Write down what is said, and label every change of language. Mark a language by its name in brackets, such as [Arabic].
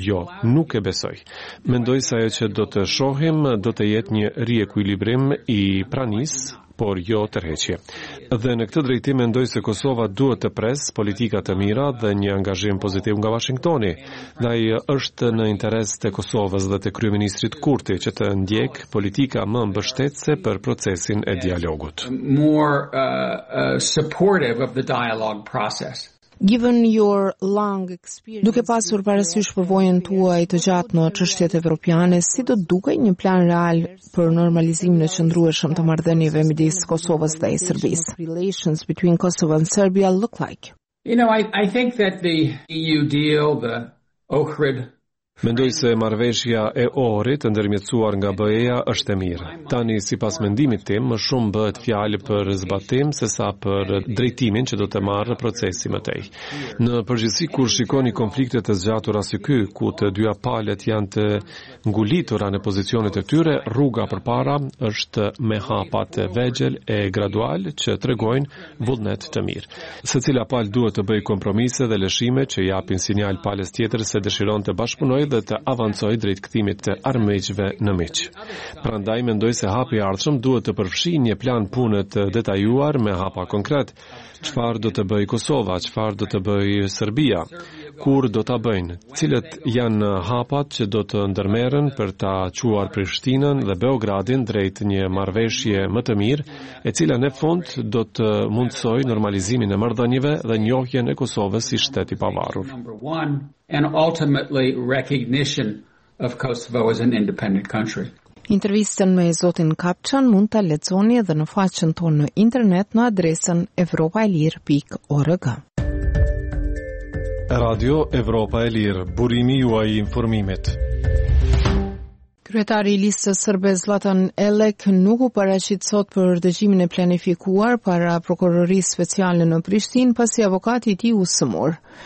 [Albanian] Jo, nuk e besoj. Mendoj se ajo që do të shohim do të jetë një riekuilibrim i pranisë, por jo tërheqje. Dhe në këtë drejtim mendoj se Kosova duhet të pres politika të mira dhe një angazhim pozitiv nga Washingtoni. Ndaj është në interes të Kosovës dhe të kryeministrit Kurti që të ndjek politika më mbështetëse për procesin e dialogut. [English] More supportive of the dialogue process. Given your long experience, [Albanian] duke pasur parasysh përvojën tuaj të gjatë në çështjet evropiane, si do dukej një plan real për normalizimin e qëndrueshëm të marrëdhënieve midis Kosovës dhe Serbisë? [English] Relations between Kosovo and Serbia look like? You know, I think that the EU deal, the OHRID. [Albanian] Mendoj se marrëveshja e ORI-t ndërmjetësuar nga BE-ja është e mirë. Tani, sipas mendimit tim, më shumë bëhet fjalë për zbatim sesa për drejtimin që do të marrë procesi më tej. Në përgjithësi, kur shikoni konfliktet e zgjatura si ky, ku të dyja palët janë të ngulitura në pozicionet e tyre, rruga përpara është me hapat e vegjël e gradual që tregojnë vullnet të mirë. Secila palë duhet të bëjë kompromise dhe lëshime që japin sinjal palës tjetër se dëshiron të bashkëpunojë dhe të avancoj drejt kthimit të armiqve në miq. Prandaj mendoj se hapi i ardhshëm duhet të përfshijë një plan pune të detajuar me hapa konkret. Çfarë do të bëjë Kosova, çfarë do të bëjë Serbia, kur do ta bëjnë, cilët janë hapat që do të ndërmerren për ta çuar Prishtinën dhe Beogradin drejt një marrëveshje më të mirë, e cila në fund do të mundësoj normalizimin e marrëdhënieve dhe njohjen e Kosovës si shteti pavarur. [English] And ultimately recognition of Kosovo as an independent country. [Albanian] Intervistën me zotin Kapçan mund ta lexoni edhe në faqen tonë në internet në adresën europaelir.org. Radio Evropa e Lirë, burimi juaj i informimit. Kryetari i listës sërbe Zlatan Elek nuk u paraqit sot për dëgjimin e planifikuar para prokurorisë speciale në Prishtinë pasi avokati i tij u sëmur.